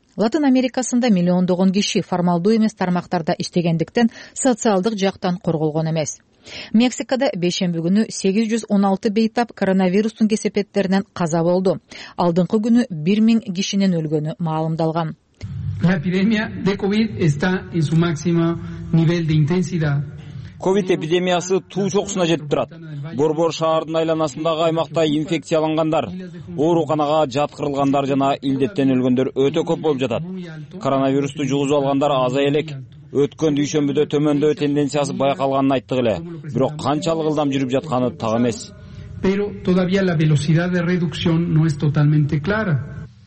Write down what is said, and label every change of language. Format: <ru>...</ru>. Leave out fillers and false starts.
<ky>Латын Америкасында миллиондогон киши формалдуу эмес тармактарда иштегендиктен социалдык жактан корголгон эмес. Мексикада бейшемби күнү 816 бейтап коронавирустун кесепеттеринен каза болду. Алдыңкы күнү 1000 кишинин өлгөнү маалымдалган.</ky> <es>La epidemia de COVID está en su máximo nivel de intensidad.</es> <ky>Ковид эпидемиясы туу чокусуна жетип турат. Борбор шаардын айланасындагы аймакта инфекцияланганар, ооруканага жаткырылгандар жана илдеттен өлгөндөр өтө көп болуп жатат. Коронавирусту жугузуп алгандар азая элек. Өткөн дүйшөмбүдө төмөндөө тенденциясы байкалганын айттык эле, бирок канчалык ылдам жүрүп жатканы так эмес.</ky> <es>Pero todavía la velocidad de reducción no es totalmente clara.</es>